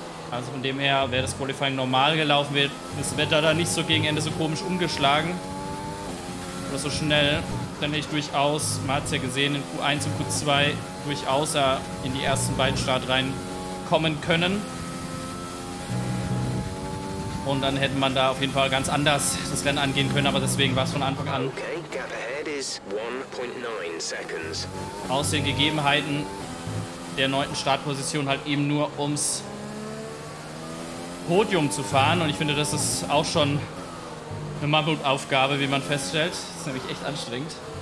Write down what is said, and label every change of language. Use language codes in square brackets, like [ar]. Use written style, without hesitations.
[de] Also von dem her, wäre das Qualifying normal gelaufen, wird das Wetter da nicht so gegen Ende so komisch umgeschlagen oder so schnell, dann hätte ich durchaus, man hat es ja gesehen, in Q1 und Q2 durchaus in die ersten beiden Startreihen kommen können. Und dann hätte man da auf jeden Fall ganz anders das Rennen angehen können, aber deswegen war es von Anfang an. [en] Okay, gap ahead is 1.9 seconds. [de] Aus den Gegebenheiten der neunten Startposition halt eben nur ums Podium zu fahren, und ich finde, das ist auch schon eine Mammutaufgabe, wie man feststellt. Das ist nämlich echt anstrengend.